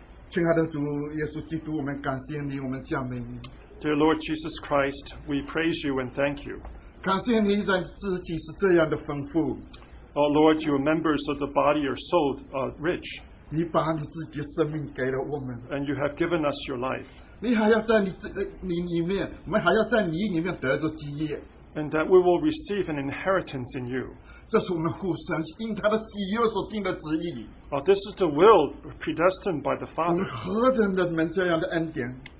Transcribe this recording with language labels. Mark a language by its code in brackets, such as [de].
[zh] 亲爱的主耶稣基督,我们感谢你,我们赞美你。 [en] Dear Lord Jesus Christ, we praise you and thank you. [zh] 感谢你在自己是这样的丰富。 [en] Oh Lord, your members of the body are so rich. And you have given us your life. [zh] 你还要在你里面, [en] and that we will receive an inheritance in you. This is the will predestined by the Father.